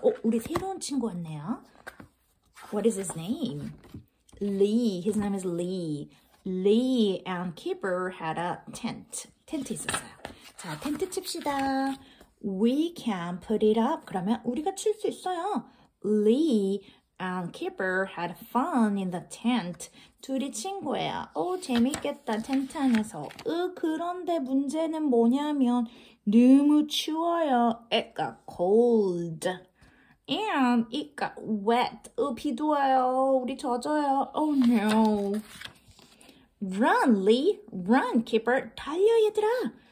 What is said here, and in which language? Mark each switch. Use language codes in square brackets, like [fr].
[ko] 오, 우리 새로운 친구 왔네요. [en] What is his name? Lee. His name is Lee. Lee and Keeper had a tent. [ko] 텐트 있었어요. 자, 텐트 칩시다. [en] We can put it up. [ko] 그러면 우리가 칠 수 있어요. [en] Lee and Keeper had fun in the tent. [ko] 둘이 친 거야. 오, 재밌겠다. 텐트 안에서. 그런데 문제는 뭐냐면 너무 추워요. [en] It got cold. And it got wet. [ko] 비도 와요. 우리 젖어요. [en] Oh no. Run, Lee. Run, Keeper. [ko] 달려, 얘들아.